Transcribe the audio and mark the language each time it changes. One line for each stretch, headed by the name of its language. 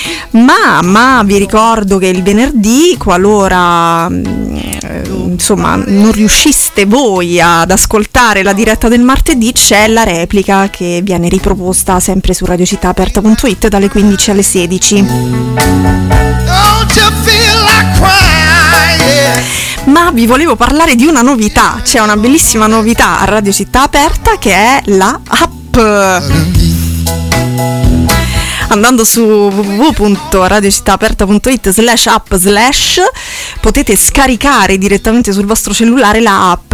Italian: Ma vi ricordo che il venerdì, qualora insomma non riusciste voi ad ascoltare la diretta del martedì, c'è la replica che viene riproposta sempre su radiocittàaperta.it dalle 15 alle 16.
English: Don't you feel like crying?
Italian: Ma vi volevo parlare di una novità, c'è una bellissima novità a Radio Città Aperta che è la app. Andando su www.radiocittàaperta.it/app/ potete scaricare direttamente sul vostro cellulare la app.